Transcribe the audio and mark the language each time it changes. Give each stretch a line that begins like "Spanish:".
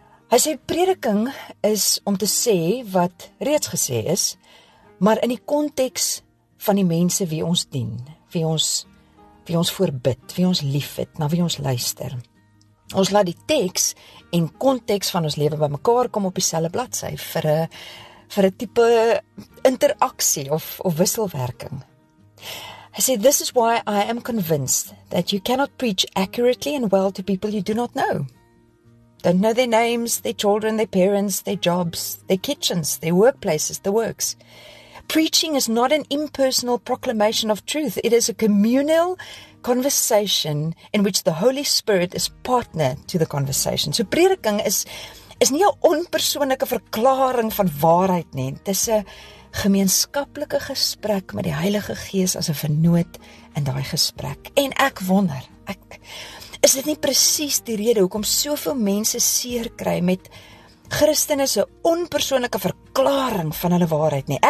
Afrikaans: Hy sê prediking is om te sê wat reeds gesê is, maar in die konteks van die mense wie ons dien, wie ons voorbid, wie ons liefhet, na wie ons luister. Ons laat die teks en konteks van ons lewe by mekaar kom op dieselfde bladsy vir 'n tipe interaksie of wisselwerking. Hy sê,
English: this is why I am convinced that you cannot preach accurately and well to people you do not know. Don't know their names, their children, their parents, their jobs, their kitchens, their workplaces, the works. Preaching is not an impersonal proclamation of truth. It is a communal conversation in which the Holy Spirit is partner to the conversation.
Afrikaans: So prediking is nie 'n onpersoonlike verklaring van waarheid nie. Dit is 'n gemeenskaplike gesprek met die Heilige Gees as 'n vennoot in daai gesprek. En ek wonder, is dit nie presies die rede hoekom soveel mense seer kry met Christen is 'n onpersoonlike verklaring van hulle waarheid nie.